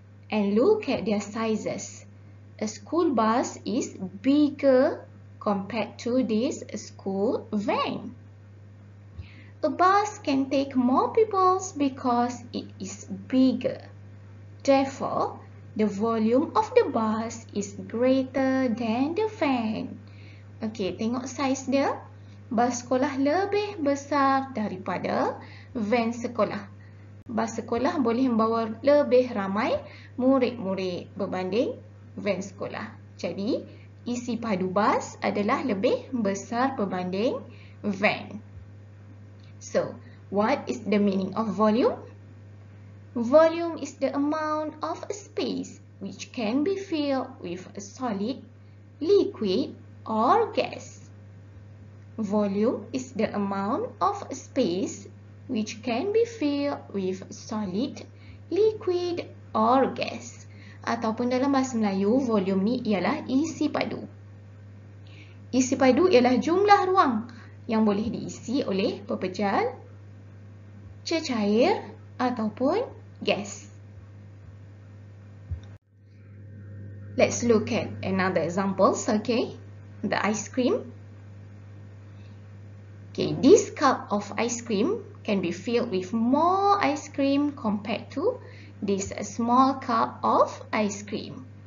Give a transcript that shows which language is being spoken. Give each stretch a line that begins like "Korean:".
English: And look at their sizes. A school bus is bigger compared to this school van. A bus can take more people because it is bigger. Therefore, the volume of the bus is greater than the van.
Malay: Okay, tengok size dia. Bus sekolah lebih besar daripada van sekolah. Bus sekolah boleh membawa lebih ramai murid-murid berbanding van sekolah. Jadi, isi padu bas adalah lebih besar berbanding van.
English: So, what is the meaning of volume? Volume is the amount of space which can be filled with a solid, liquid or gas. Volume is the amount of space which can be filled with solid, liquid or gas.
Malay: Ataupun dalam bahasa Melayu, volume ni ialah isi padu. Isi padu ialah jumlah ruang yang boleh diisi oleh pepejal, cecair ataupun gas.
English: Let's look at another examples, okay? The ice cream. Okay, this cup of ice cream can be filled with more ice cream compared to this small cup of ice cream.